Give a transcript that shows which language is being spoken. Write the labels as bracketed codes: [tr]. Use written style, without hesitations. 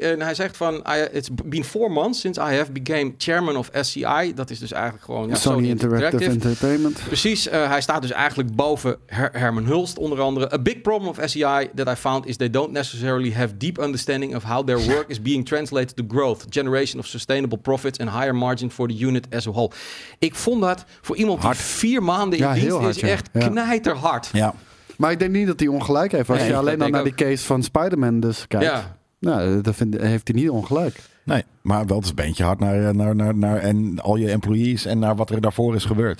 [nl] En hij zegt van, [en] it's been 4 months since I have became chairman of SCI. [nl] Dat is dus eigenlijk gewoon Sony Interactive Entertainment. Precies, hij staat dus eigenlijk boven Herman Hulst onder andere. [en] A big problem of SCI that I found is they don't necessarily have deep understanding of how their work is being translated to growth, generation of sustainable profits and higher margin for the unit as a whole. [nl] Ik vond dat voor iemand hard. Die 4 maanden in ja, dienst hard, is, echt knijterhard. Ja. Maar ik denk niet dat hij ongelijk heeft. Als je alleen al naar ook. Die case van Spider-Man dus kijkt. Ja. Nou, dat heeft hij niet ongelijk. Nee, maar wel het beentje hard naar en al je employees en naar wat er daarvoor is gebeurd.